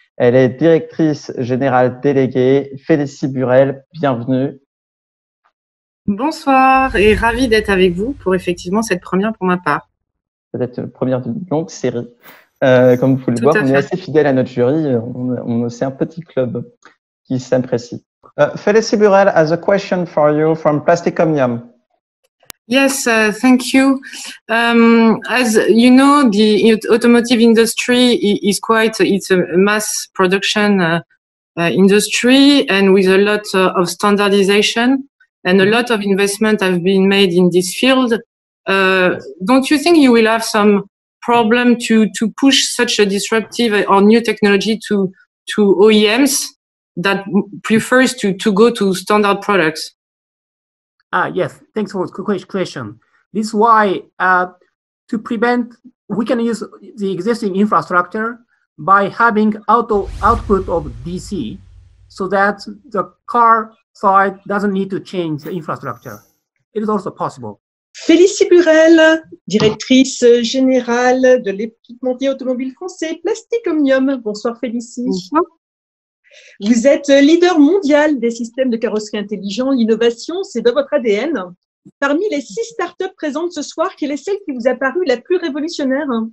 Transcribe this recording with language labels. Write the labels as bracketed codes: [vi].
[fr] Elle est directrice générale déléguée. Félicie Burel, bienvenue. Bonsoir et ravie d'être avec vous pour effectivement cette première pour ma part. Peut-être la première d'une longue série. Comme vous pouvez le voir, on est assez fidèle à notre jury. C'est un petit club qui s'apprécie. [en] Félicie Burel has a question for you from Plastic Omnium. Yes, thank you. As you know, the automotive industry is it's a mass production industry and with a lot of standardization and a lot of investment have been made in this field. Don't you think you will have some problem to push such a disruptive or new technology to OEMs that prefers to go to standard products? Yes, thanks for the question. This is why to prevent, we can use the existing infrastructure by having output of DC so that the car side doesn't need to change the infrastructure. It is also possible. [fr] Félicie Burel, directrice générale de l'équipementier automobile français Plastic Omnium. Bonsoir Félicie. Bonsoir. Vous êtes leader mondial des systèmes de carrosserie intelligents. L'innovation, c'est dans votre ADN. Parmi les 6 startups présentes ce soir, quelle est celle qui vous a paru la plus révolutionnaire?